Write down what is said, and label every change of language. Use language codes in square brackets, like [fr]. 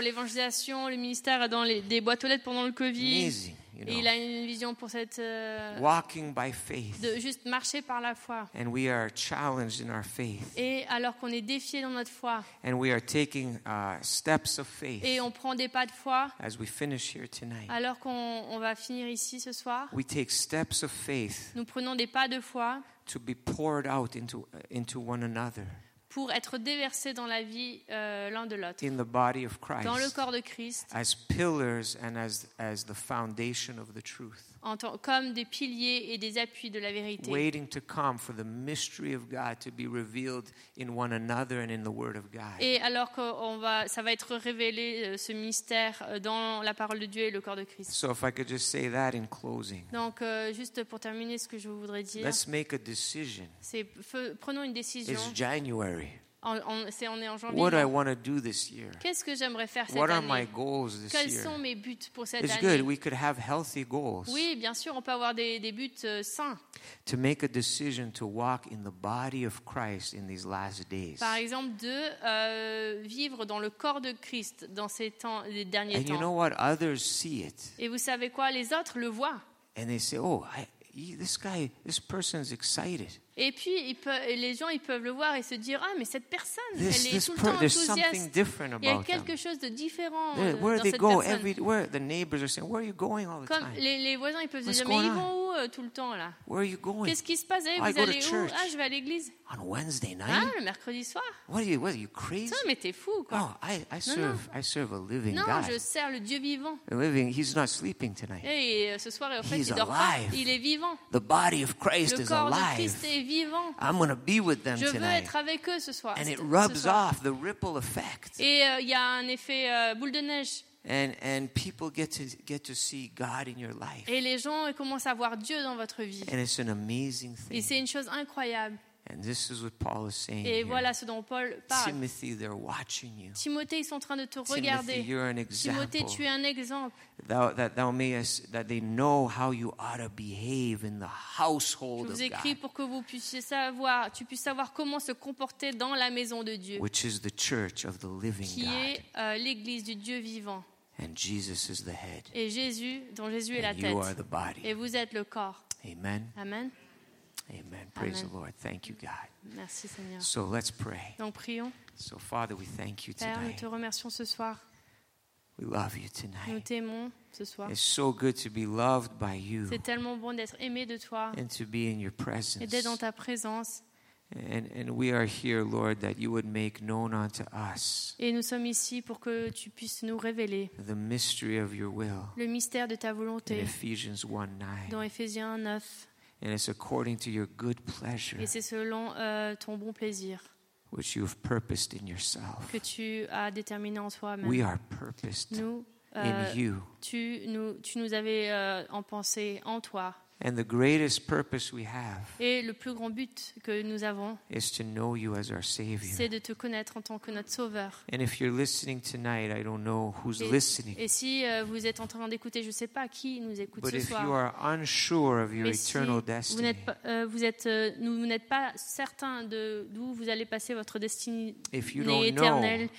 [fr] l'évangélisation, le ministère dans des boîtes aux lettres pendant le Covid. [en] Amazing. You know, [fr] il a une vision pour cette [en] walking by faith. [fr] De juste marcher par la foi. [en] And we are challenged in our faith. [fr] Et alors qu'on est défié dans notre foi. [en] And we are taking steps of faith. [fr] Et on prend des pas de foi. [en] As we finish here tonight. [fr] Alors qu'on va finir ici ce soir. [en] We take steps of faith. [fr] Nous prenons des pas de foi. [en] To be poured out into one another. [fr] Pour être déversé dans la vie l'un de l'autre. [en] In the body of Christ, [fr] dans le corps de Christ. [en] As pillars and as the foundation of the truth. [fr] Comme des piliers et des appuis de la vérité. [en] Waiting to come for the mystery of God to be revealed in one another and in the Word of God. [fr] Et alors que ça va être révélé ce mystère dans la parole de Dieu et le corps de Christ. [en] So if I could just say that in closing. [fr] Donc juste pour terminer, ce que je voudrais dire. [en] Let's make a decision. [fr] Prenons une décision. [en] It's January. [fr] On est en janvier. [en] What do I want to do this year? [fr] Qu'est-ce que j'aimerais faire cette [en] What are [fr] année? [en] My goals this [fr] Quels [en] year? [fr] Sont mes buts pour cette [en] It's [fr] année? [en] Good. We could have healthy goals. [fr] Oui, bien sûr, on peut avoir des buts sains. [en] To make a decision to walk in the body of Christ in these last days. [fr] Par exemple, de vivre dans le corps de Christ dans ces temps les derniers [en] And [fr] temps. [en] You know what? Others see it. [fr] Et vous savez quoi? Les autres le voient. [en] And they say, "Oh, this person is excited." [fr] Et puis les gens ils peuvent le voir et se dire ah mais cette personne elle est tout le temps enthousiaste. Il y a quelque chose de différent dans cette personne. [en] Where the neighbors are saying where are you going all the [fr] Comme [en] time? [fr] Les voisins ils peuvent se dire mais ils vont où tout le temps là. [en] Where are you going? [fr] Qu'est-ce qui se passe? Eh, vous allez où? Ah, je vais à l'église. [en] On Wednesday night? [fr] Ah, le mercredi soir. [en] What are you crazy? [fr] Non, mais t'es fou quoi. [en] Oh, I serve a living [fr] non, [en] God. [fr] Non, je sers le Dieu vivant. [en] A living, he's not sleeping tonight. [fr] Et ce soir en fait, il dort pas. Il est vivant. [en] The body of Christ is alive. [fr] Le corps de Christ est vivant. [en] I'm going to be with them [fr] je [en] tonight. [fr] Je veux être avec eux ce soir. [en] And it rubs off the ripple effect. [fr] Et il y a un effet boule de neige. [en] And people get to see God in your life. [fr] Et les gens commencent à voir Dieu dans votre vie. [en] And it's an amazing thing. [fr] Et c'est une chose incroyable. [en] And this is what Paul is saying. [fr] Et voilà ce dont Paul parle. [en] Timothy, they're watching you. [fr] Timothée, ils sont en train de te regarder. [en] Timothy, you're an example. [fr] Timothée, tu es un exemple. [en] That they know how you ought to behave in the household of God. [fr] Je vous écris pour que vous puissiez savoir, tu puisses savoir comment se comporter dans la maison de Dieu. [en] Which is the church of the living God. [fr] Qui est l'église du Dieu vivant. [en] And Jesus is the head. [fr] Et Jésus, dont Jésus est la tête. [en] You are the body. [fr] Et vous êtes le corps. [en] Amen. Amen. Amen. Praise Amen. The Lord. Thank you, God. [fr] Merci, Seigneur. [en] So let's pray. [fr] Donc, prions. [en] So, Father, we thank you [fr] Père, [en] tonight. [fr] Nous te remercions ce soir. [en] We love you tonight. [fr] Nous t'aimons ce soir. [en] It's so good to be loved by you. [fr] C'est tellement bon d'être aimé de toi. [en] And to be in your presence. [fr] Et d'être dans ta présence. [en] And we are here, Lord, that you would make known unto us. [fr] Et nous sommes ici pour que tu puisses nous révéler. [en] The mystery of your will. [fr] Le mystère de ta volonté. [en] In Ephesians 1:9. [fr] Dans Éphésiens 9. [en] And it's according to your good pleasure. [fr] Et c'est selon ton bon plaisir. [en] Which you have purposed in yourself. [fr] Que tu as déterminé en toi-même. [en] We are purposed [fr] nous, [en] in you. [fr] Tu nous avais en pensée en toi. [en] And the greatest purpose we have. [fr] Et le plus grand but que nous avons. [en] Is to know you as our savior. [fr] C'est de te connaître en tant que notre sauveur. [en] And if you're listening tonight, I don't know who's listening. [fr] Et si vous êtes en train d'écouter, je sais pas qui nous écoute [en] But [fr] ce soir. [en] But if you are unsure of your eternal destiny. [fr] Vous n'êtes pas certain de d'où vous allez passer votre destinée éternelle.